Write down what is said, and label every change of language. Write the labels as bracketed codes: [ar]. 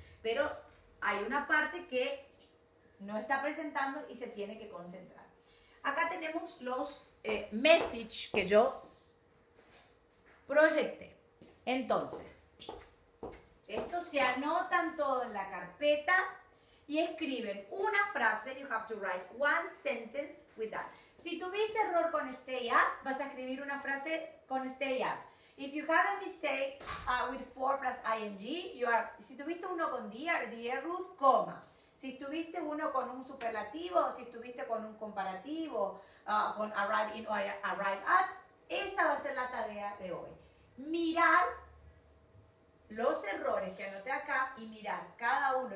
[es] Pero hay una parte que no está presentando y se tiene que concentrar. Acá tenemos los message que yo proyecté. Entonces, esto se anotan todo en la carpeta y escriben una frase. [en] You have to write one sentence with that. [es] Si tuviste error con stay at, vas a escribir una frase con stay at. [en] If you have a mistake with 4 plus ing, you are. [es] Si tuviste uno con dear, dear root, coma. Si tuviste uno con un superlativo, si tuviste con un comparativo, con arrive in or arrive at, esa va a ser la tarea de hoy. Mirar los errores que anoté acá y mirar cada uno.